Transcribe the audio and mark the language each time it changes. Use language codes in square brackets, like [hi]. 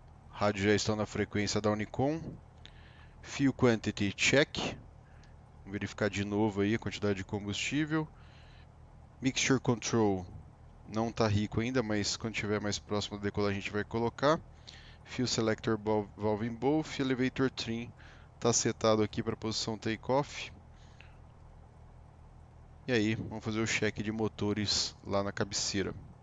[pt] Rádio já está na frequência da Unicom. [en] Fuel quantity check. [pt] Vamos verificar de novo aí a quantidade de combustível. [en] Mixture control [pt] não está rico ainda, mas quando estiver mais próximo da decolagem a gente vai colocar. [en] Fuel selector valve in both. Elevator trim [pt] está setado aqui para a posição takeoff. E aí, vamos fazer o check de motores lá na cabeceira.